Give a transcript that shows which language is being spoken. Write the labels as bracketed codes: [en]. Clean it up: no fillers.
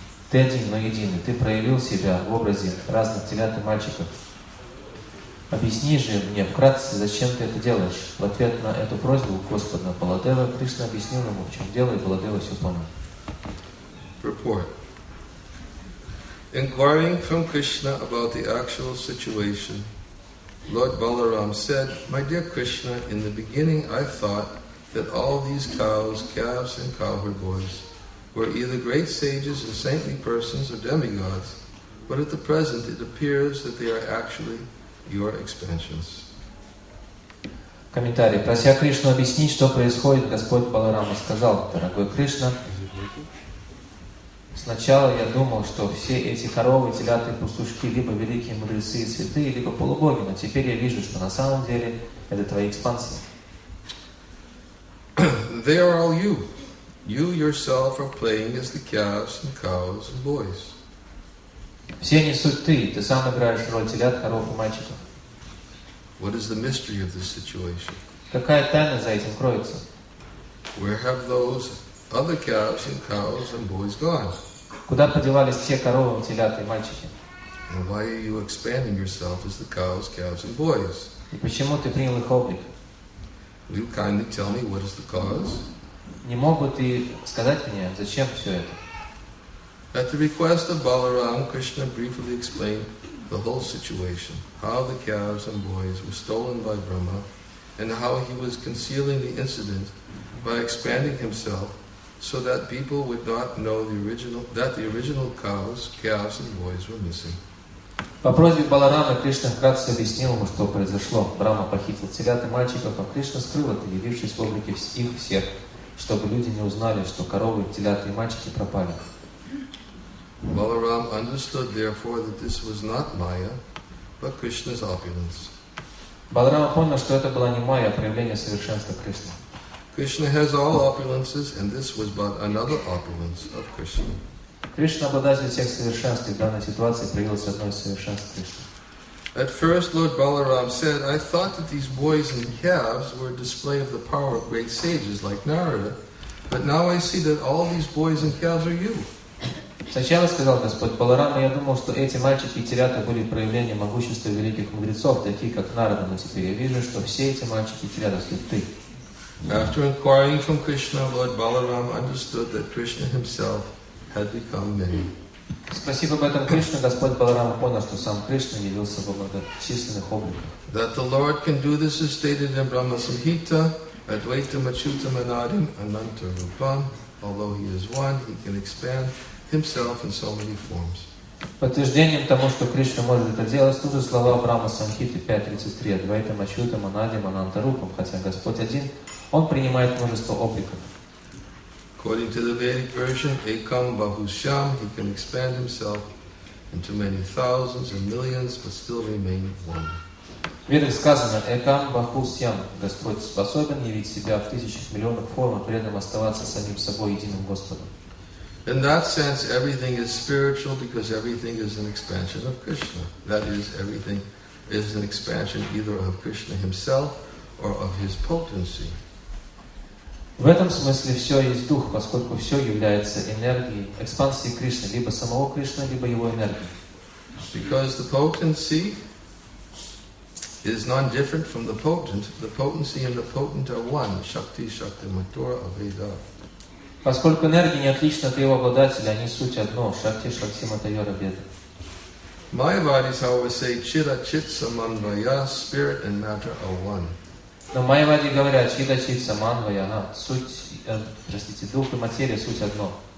[ru] Ты один, но единый, ты проявил себя в образе разных телят и мальчиков. Объясни же мне вкратце, зачем ты это делаешь. В ответ на эту просьбу Господа Баладева, Кришна объяснил ему, в чем дело, и Баладева все понял. [en] Report. Inquiring from Krishna about the actual situation, Lord Balaram said, My dear Krishna, in the beginning I thought that all these cows, calves, and cowherd boys were either great sages and saintly persons or demigods, but at the present it appears that they are actually your expansions. [ru] Комментарий. Прося Кришну объяснить, что происходит, Господь Баларама сказал, дорогой Кришна, сначала я думал, что все эти коровы, теляты и пастушки либо великие мудрецы и святые, либо полубоги, но теперь я вижу, что на самом деле это твои экспансии. [en] They are all you. You yourself are playing as the calves and cows and boys. [ru] Все они суть ты. Ты сам играешь роль телят, коров и мальчиков. [en] What is the mystery of this situation? [ru] Какая тайна за этим кроется? [en] Where have those other calves and cows and boys gone? [ru] Куда подевались все коровы, телята и мальчики? [en] And why are you expanding yourself as the cows, calves and boys? [ru] И почему ты принял их облик? [en] Will you kindly tell me what is the cause? [ru] Не могут ли сказать мне, зачем все это? [en] At the request of Balaram, Krishna briefly explained the whole situation, how the calves and boys were stolen by Brahma, and how he was concealing the incident by expanding himself so that people would not know that the original cows, calves and boys were missing. [ru] По просьбе Баларама Кришна вкратце объяснил ему, что произошло. Брама похитил телят и мальчиков, а Кришна скрыл это, явившись в облике их всех, чтобы люди не узнали, что коровы, теляты и мальчики пропали. [en] Balaram understood, therefore, that this was not Maya, but Krishna's opulence. [ru] Balaram понял, что это была не Майя, а проявление совершенства Кришны. [en] Krishna has all opulences, and this was but another opulence of Krishna. [ru] Кришна обладатель всех совершенств, и в данной ситуации проявилось одно из совершенств Кришны. [en] At first, Lord Balaram said, I thought that these boys and calves were a display of the power of great sages like Narada, but now I see that all these boys and calves are you. [ru] Сначала сказал Господь Баларама, я думал, что эти мальчики и телята были проявлением могущества великих мудрецов, таких как Нарада, но теперь я вижу, что все эти мальчики и телята — ты. [en] After inquiring from Krishna, Lord Balaram understood that Krishna himself had become many. [ru] Спросив об этом Кришну, Господь Баларама понял, что сам Кришна явился в многочисленных обликах. [en] That the Lord can do this is stated in Brahma Samhita, [sa] Advaitam Achyutam Anadim Ananta Rupam. [en] Although he is one, he can expand himself in so many forms. [ru] Подтверждением тому, что Кришна может это делать, служат слова Брама Самхиты 5.33, [sa] Адвайтам Ачютам Анадим Ананта Рупам, [ru] хотя Господь один, Он принимает множество обликов. [en] According to the Vedic version, [sa] Ekam Bahusham, [en] he can expand himself into many thousands and millions, but still remain one. [ru] В Ведах сказано, [sa] Экам Бахусям, [ru] Господь способен явить себя в тысячах, миллионах форм, при этом оставаться самим собой, единым Господом. [en] In that sense, everything is spiritual because everything is an expansion of Krishna. That is, everything is an expansion either of Krishna himself or of his potency. [ru] В этом смысле все есть дух, поскольку все является энергией, экспансией Кришны, либо самого Кришны, либо его энергии. [en] Because the potency is non-different from the potent. The potency and the potent are one. [sa] Shakti, Shakti, Matura, Aveda. [ru] Поскольку энергия не отлична от его обладателя, они суть одно. [sa] Шакти, Шакти, Матайор, Абеда. [en] Майявадис, however, say, [sa] Чита, Читса, Манвая, [en] Spirit and Matter are one. [ru] Но майявади говорят, [sa] Чита, Читса, Манвая, [ru] простите, Дух и Материя, суть одно.